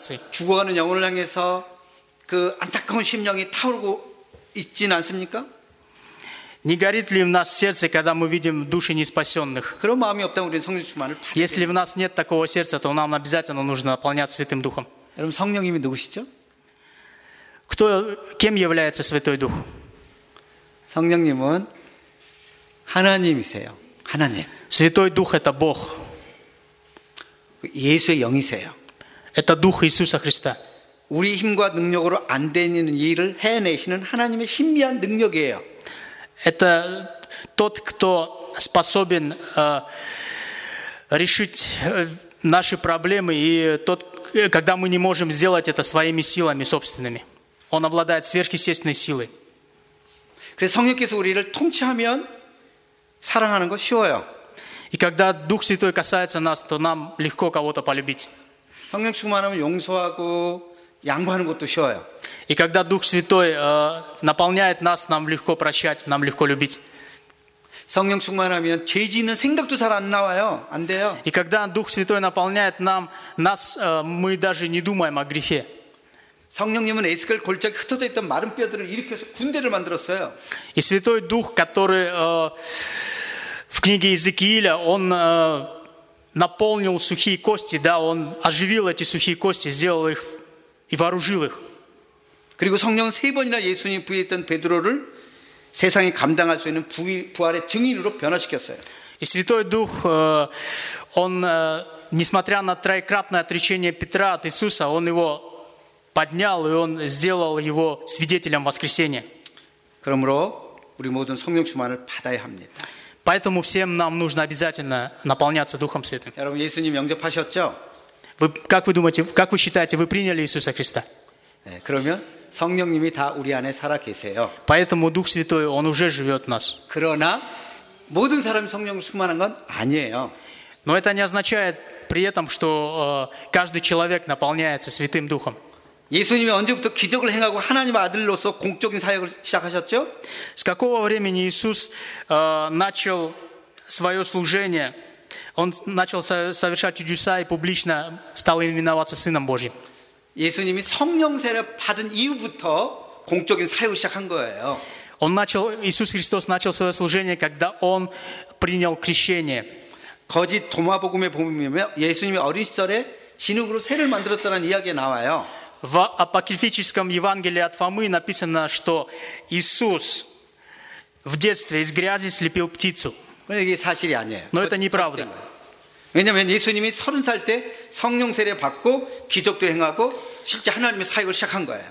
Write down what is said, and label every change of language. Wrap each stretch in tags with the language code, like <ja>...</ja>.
<ko>죽어가는 영혼을 향해서 그 안타까운 심령이 타오르고 있진 않습니까?</ko> <ru>Не горит ли в нас сердце, когда мы видим души неспасенных?</ru> <ko>그런 마음이 없다면 우리는 성령 충만을 받아야 돼요.</ko> <ru>Если в нас нет такого сердца, то нам обязательно нужно наполняться Святым Духом.</ru> <ko>여러분, 성령님이 누구시죠?</ko> <ru>Кем является Святой Дух?</ru> <ko>성령님은 하나님이세요. 하나님.</ko> <ru>Святой Дух – это Бог.</ru> <ko>예수의 영이세요.</ko> <ru>Это дух Иисуса Христа.</ru> <ko>우리 힘과 능력으로 안 되는 일을 해내시는 하나님의 신비한 능력이에요.</ko> <ru>Это тот, кто способен решить наши проблемы и тот, когда мы не можем сделать это своими силами собственными. Он обладает сверхъестественной силой.</ru> <ko>그래서 성령께서 우리를 통치하면 사랑하는 거 쉬워요.</ko> <ru>И когда Дух Святой касается нас, то нам легко кого-то полюбить.</ru> <ko>성령 충만하면 용서하고 양보하는 것도 쉬워요.</ko> <ru>И когда Дух Святой наполняет нас, нам легко прощать, нам легко любить.</ru> <ko>성령 충만하면 죄 짓는 생각도 잘 안 나와요. 안 돼요.</ko> <ru>И когда Дух Святой наполняет нас, мы даже не думаем о грехе.</ru> <ko>성령님은 에스겔 골짜기 흩어져 있던 마른 뼈들을 일으켜서 군대를 만들었어요.</ko> <ru>И Святой Дух, который в книге Иезекииля, он наполнил сухие кости, да, он оживил эти сухие кости, сделал их и вооружил их.</ru> <ko>그리고 성령은 세 번이나 예수님 부인했던 베드로를 세상이 감당할 수 있는 부활의 증인으로 변화시켰어요.</ko> <ru>И Святой Дух, он несмотря на троекратное отречение Петра от Иисуса, он его поднял, и он сделал его свидетелем воскресения.</ru> <ko>그러므로 우리 모든 성령 충만을 받아야 합니다.</ko> <ru>Поэтому всем нам нужно обязательно наполняться Духом Святым.</ru> <ko>여러분, 예수님 영접하셨죠?</ko> <ru>Как вы считаете, вы приняли Иисуса Христа?</ru> <ko>네, 그러면 성령님이 다 우리 안에 살아 계세요.</ko> <ru>Поэтому Дух Святой, Он уже живет в нас.</ru> <ko>그러나 모든 사람이 성령 충만한 건 아니에요.</ko> <ru>Но это не означает при этом, что каждый человек наполняется Святым Духом.</ru> <ko>예수님이 언제부터 기적을 행하고 하나님 아들로서 공적인 사역을 시작하셨죠?</ko> <ru>С какого времени Иисус начал свое служение? Он начал совершать чудеса и публично стал именоваться Сыном Божьим.</ru> <ko>예수님이 성령 세례 받은 이후부터 공적인 사역을 시작한 거예요.</ko> <ru>Он начал, Иисус Христос начал свое служение, когда он принял крещение.</ru> <ko>거짓 도마 복음에 보면 예수님이 어린 시절에 진흙으로 세례를 만들었다는 이야기가 나와요.</ko> <ru>В апокрифическом Евангелии от Фомы написано, что Иисус в детстве из грязи слепил птицу. Но это неправда.</ru> <ko>왜냐면 예수님이 서른 살 때 성령 세례 받고 기적도 행하고 실제 하나님의 사역을 시작한 거예요.</ko>